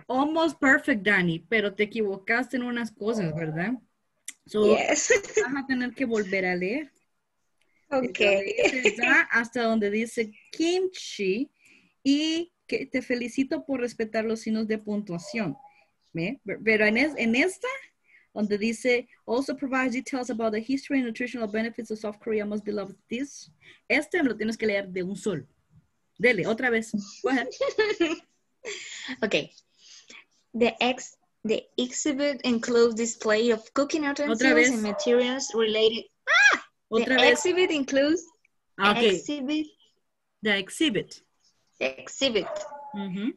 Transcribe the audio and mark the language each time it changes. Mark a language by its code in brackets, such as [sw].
[en] Almost perfect, [es] Dani, pero te equivocaste en unas cosas, ¿verdad? [en] So, yes. [es] Vas a tener que volver a leer. [en] Okay. [es] Hasta donde dice kimchi. Y que te felicito por respetar los signos de puntuación. ¿Eh? Pero en esta... Donde dice, [en] also provides details about the history and nutritional benefits of South Korea, most beloved dish. [es] Este lo tienes que leer de un solo. Dele, otra vez. [en] Go ahead. Okay. The exhibit includes display of cooking utensils and materials related. Exhibit includes. Okay. The exhibit. Mm-hmm.